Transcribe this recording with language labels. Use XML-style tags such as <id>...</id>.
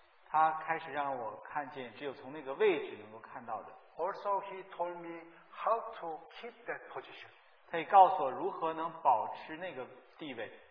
<zh>他开始让我看见只有从那个位置能够看到的。</zh> <en>Also, he told me how to keep that position.</en> <zh>他也告诉我如何能保持那个地位。</zh>